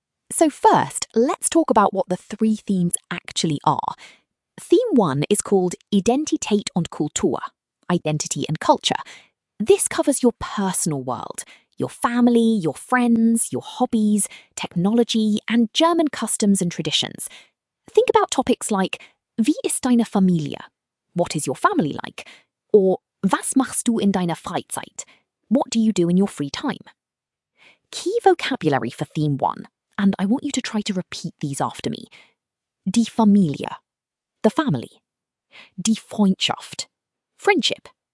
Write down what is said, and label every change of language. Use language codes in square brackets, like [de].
[en] So first, let's talk about what the three themes actually are. Theme one is called [de] Identität und Kultur, [en] identity and culture. This covers your personal world, your family, your friends, your hobbies, technology, and German customs and traditions. Think about topics like, [de] wie ist deine Familie? [en] What is your family like? Or, [de] was machst du in deiner Freizeit? [en] What do you do in your free time? Key vocabulary for theme one, and I want you to try to repeat these after me. [de] Die Familie, [en] the family. [de] Die Freundschaft, friendship.